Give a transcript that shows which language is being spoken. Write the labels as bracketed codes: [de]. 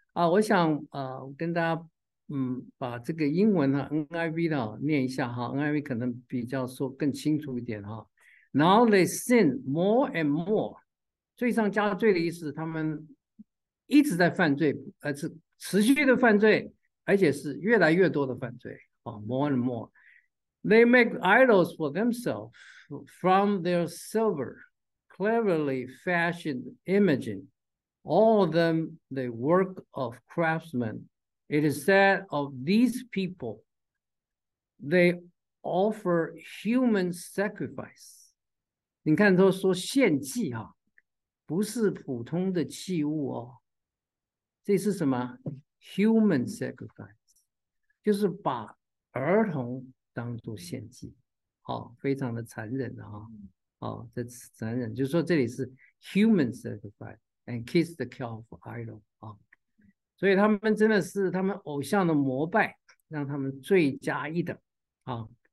[zh] 我想跟大家把这个英文的 NIV 的念一下哈，NIV 可能比较说更清楚一点哈。 [en] Now they sin more and more， [zh] 罪上加罪的意思，他们一直在犯罪，而是持续的犯罪，而且是越来越多的犯罪啊， [en] more and more。 They make idols for themselves from their silver, cleverly fashioned imaging. All of them the work of craftsmen. It is said of these people, they offer human sacrifice. [zh] 你看都说献祭啊，不是普通的器物哦，这是什么？Human sacrifice，就是把儿童当做献祭，好、哦，非常的残忍的、哦、哈，这是残忍，就是说这里是 [en] human sacrifice and kiss the calf idol [zh] 啊、哦，所以他们真的是他们偶像的膜拜，让他们罪加一等啊、哦。